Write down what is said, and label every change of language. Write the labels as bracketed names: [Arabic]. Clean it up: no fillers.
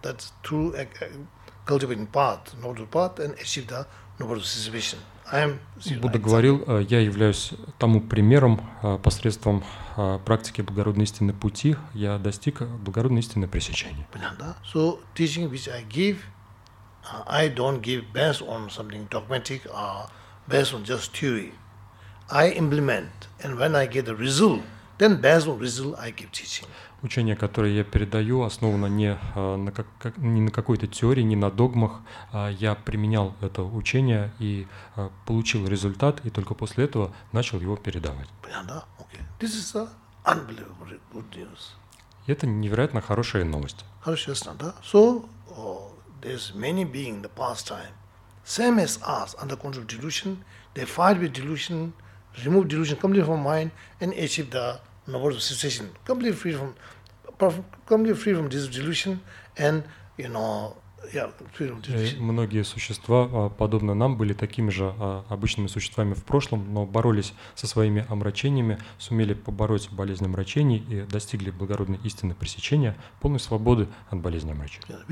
[English] That's through cultivating path, noble path, and achieve the noble situation. [Russian] Будда говорил, я являюсь тому примером, посредством практики благородной истины пути, я достиг благородной истины пресечения. Понятно, да? [English] So teaching which I give, I don't give based on something dogmatic or based on just theory. I implement, and when I get the result, then based on result I give teaching. [Russian] Учение, которое я передаю, основано не на какой-то теории, не на догмах. Я применял это учение и получил результат, и только после этого начал его передавать. Понятно? [English] Okay. This is unbelievable good news. [Russian] Это невероятно хорошая новость. Хорошо, ясно, да? [English] So, there's many beings in the past time, same as us, under control of delusion, they fight with delusion, remove delusion completely from mind, and achieve the noble cessation, completely free from this delusion, and you know [Russian] Многие существа, подобно нам, были такими же обычными существами в прошлом, но боролись со своими омрачениями, сумели побороть болезнь омрачений и достигли благородной истины пресечения, полной свободы от болезни омрачений.